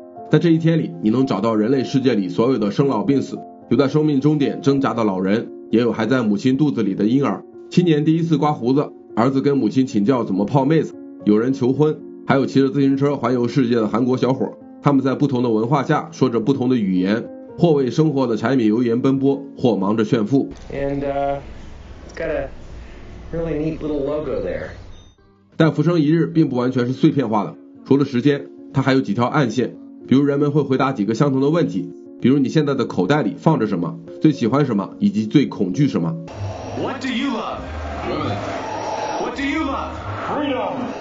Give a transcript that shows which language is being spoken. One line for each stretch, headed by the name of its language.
Chinese: 在这一天里，你能找到人类世界里所有的生老病死，有在生命终点挣扎的老人，也有还在母亲肚子里的婴儿，青年第一次刮胡子，儿子跟母亲请教怎么泡妹子，有人求婚，还有骑着自行车环游世界的韩国小伙，他们在不同的文化下说着不同的语言，或为生活的柴米油盐奔波，或忙着炫富。
English: And it's got a really neat little logo there.
Chinese: 但浮生一日并不完全是碎片化的，除了时间，它还有几条暗线，比如人们会回答几个相同的问题，比如你现在的口袋里放着什么，最喜欢什么，以及最恐惧什么。
English: What do you love? Women. What do you love? Freedom.